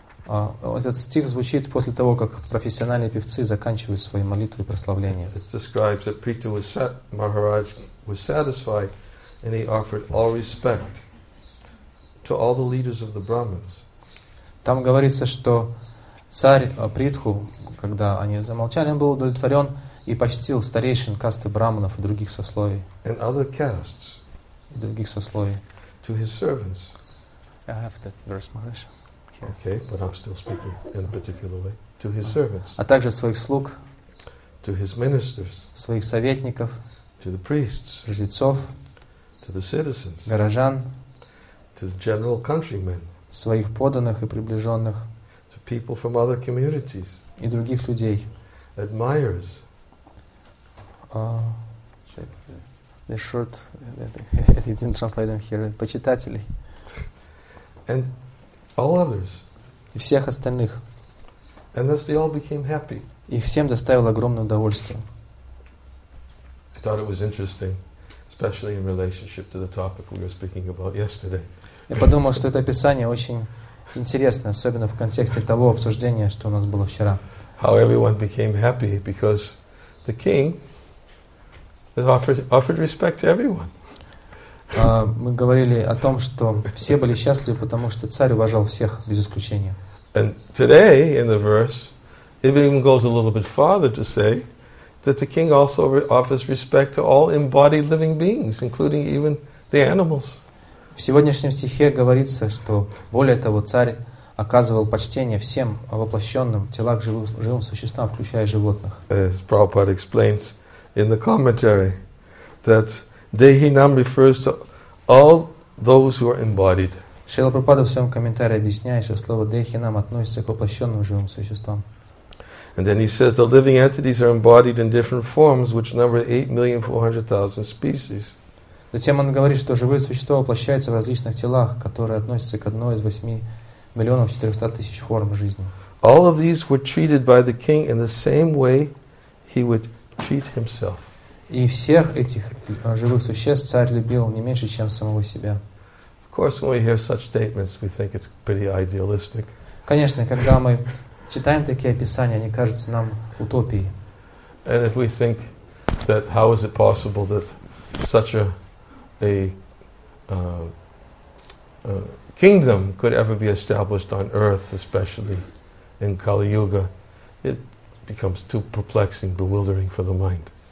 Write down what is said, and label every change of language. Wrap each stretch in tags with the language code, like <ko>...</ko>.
<ru>Этот стих звучит после того, как профессиональные певцы заканчивают свои молитвы и прославления.</ru> <en>It describes that Prithu was Maharaj was satisfied and he offered all respect to all the leaders of the Brahmins.</en> <ru>Там говорится, что царь Притху, когда они замолчали, он был удовлетворен и почтил старейшин касты брахманов и других сословий.</ru> <en>And other castes.</en> <ru>И других сословий.</ru> <en>To his servants. I have that verse, Maharaj. Okay, but I'm still speaking in a particular way. To his servants.</en> <ru>А также своих слуг.</ru> <en>To his ministers.</en> <ru>Своих советников.</ru> <en>To the priests.</en> <ru>Жрецов.</ru> <en>To the citizens.</en> <ru>Горожан.</ru> <en>To the general countrymen.</en> <ru>Своих подданных и приближенных.</ru> <en>To people from other communities.</en> <ru>И других людей.</ru> <en>Admirers. The short, he didn't translate them here.</en> <ru>Почитателей.</ru> <en>And all others.</en> <ru>И всех остальных.</ru> <en>And thus they all became happy.</en> <ru>И всем доставил огромное удовольствие.</ru> <en>I thought it was interesting, especially in relationship to the topic we were speaking about yesterday.</en> <ru>Я подумал, что это описание очень интересно, особенно в контексте того обсуждения, что у нас было вчера.</ru> <en>How everyone became happy because the king offered respect to everyone.</en> <ru>Мы говорили о том, что все были счастливы, потому что царь уважал всех без исключения.</ru> <en>And today in the verse, it even goes a little bit farther to say that the king also offers respect to all embodied living beings, including even the animals.</en> <ru>В сегодняшнем стихе говорится, что более того, царь оказывал почтение всем воплощенным в телах живым существам, включая животных.</ru> <en>As Prabhupada explains in the commentary, that Dehinam refers to all those who are embodied.</en> <ru>Шрила Прабхупада в своем комментарии объясняет, что слово Дехинам относится к воплощенным живым существам.</ru> <en>And then he says the living entities are embodied in different forms, which number 8,400,000 species.</en> <ru>Затем он говорит, что живые существа воплощаются в различных телах, которые относятся к одной из 8,400,000 форм жизни.</ru> <en>All of these were treated by the king in the same way he would treat himself.</en> <ru>И всех этих живых существ царь любил не меньше, чем самого себя.</ru> <en>Of course, when we hear such statements, we think it's pretty idealistic.</en> <ru>Конечно, когда мы читаем такие описания, они кажутся нам утопией.</ru> <en>And if we think that how is it possible that such a kingdom could ever be established on earth, especially in Kali Yuga, it becomes too perplexing, bewildering for the mind.</en>